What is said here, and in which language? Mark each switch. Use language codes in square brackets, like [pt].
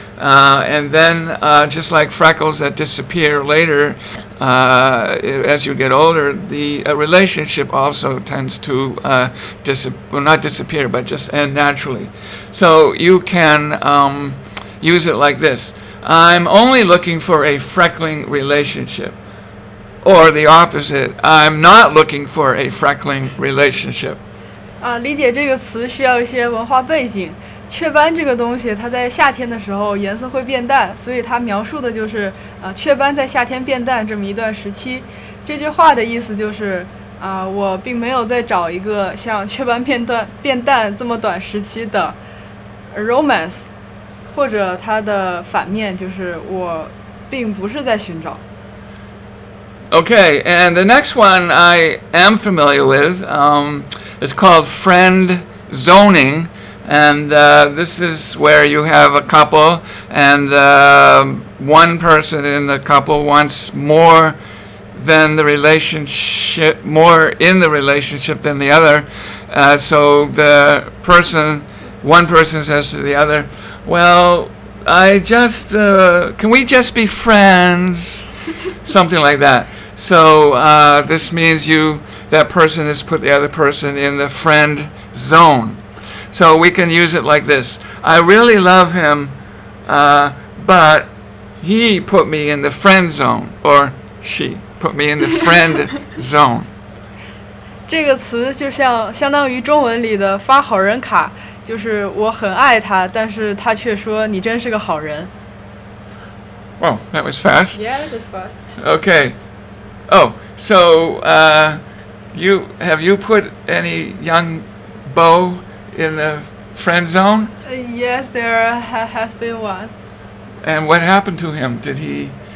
[en] And then, just like freckles that disappear later, as you get older, the relationship also tends to not disappear, but just end naturally. So you can use it like this. I'm only looking for a freckling relationship. Or the opposite. I'm not looking for a freckling relationship. [zh] 理解这个词需要一些文化背景。雀斑这个东西它在夏天的时候颜色会变淡，所以它描述的就是雀斑在夏天变淡这么一段时期。这句话的意思就是我并没有在找一个像雀斑变淡这么短时期的romance，或者它的反面就是我并不是在寻找。 [en] Okay, and the next one I am familiar with, it's called friend zoning, and this is where you have a couple, and one person in the couple wants more than the relationship, more in the relationship than the other. So the person, one person says to the other, "Well, I just, can we just be friends?" Something like that. So this means you, that person has put the other person in the friend zone. So we can use it like this. I really love him, but he put me in the friend zone, or she put me in the friend zone. [zh] 这个词就像相当于中文里的发好人卡，就是我很爱他，但是他却说你真是个好人。 [en] Well, that was fast. Yeah, that was fast. Okay. Oh, so you have you put any young beau in the friend zone? Yes, there has been one. And what happened to him? Did he?